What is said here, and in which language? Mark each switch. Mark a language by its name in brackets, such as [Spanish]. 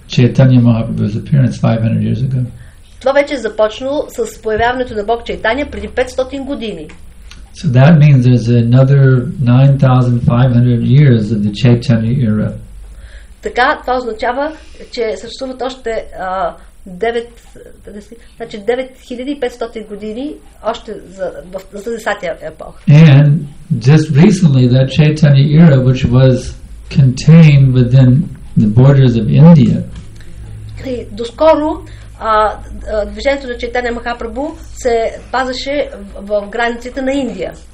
[English] Чайтанья Махапрабху's appearance 500 years ago. [Bulgarian] Това вече е започнало с появяването на Бог Чайтанья преди 500 години. [English] So that means there's another 9500 years of the Chaitanya era. [Bulgarian] Така, това означава, че съществуват още 9500 години още за десетия епох. [English] And just recently that Chaitanya era, which was contained within the borders of India. [Bulgarian] И доскоро движението на Чайтанья Махапрабху се пазаше в границите на Индия.